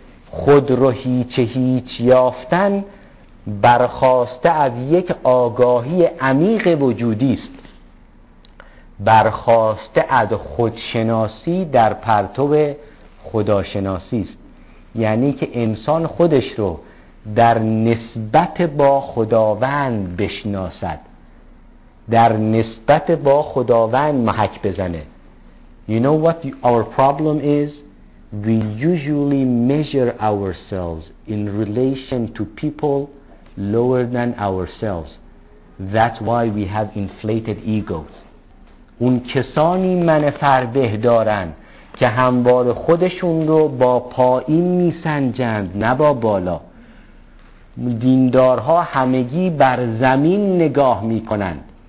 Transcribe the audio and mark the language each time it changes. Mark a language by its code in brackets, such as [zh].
[fa] خود رو هیچ هیچ یافتن برخواسته از یک آگاهی عمیق وجودی است، برخواسته از خودشناسی در پرتو خداشناسی است. یعنی که انسان خودش رو در نسبت با خداوند بشناسد، در نسبت با خداوند محک بزنه. [en] You know what our problem is? We usually measure ourselves in relation to people lower than ourselves. That's why we have inflated egos. [fa] اون کسانی من فربه دارن که همواره خودشون رو با پایین می سنجند نه با بالا. دیندارها همگی بر زمین نگاه می کنند.